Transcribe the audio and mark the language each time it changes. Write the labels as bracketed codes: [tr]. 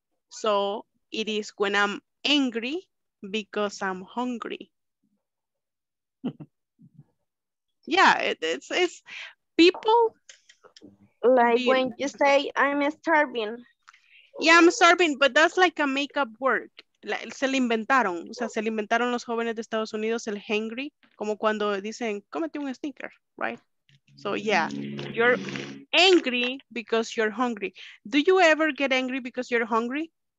[en] So it is when I'm angry because I'm hungry. Yeah, it's people. Like when you say, I'm starving. Yeah, I'm starving, but that's like a makeup word. [es] Se le inventaron, o sea, se le inventaron los jóvenes de Estados Unidos el hangry, como cuando dicen, cómete un sneaker, right? [en] So yeah, you're angry because you're hungry. Do you ever get angry because you're hungry?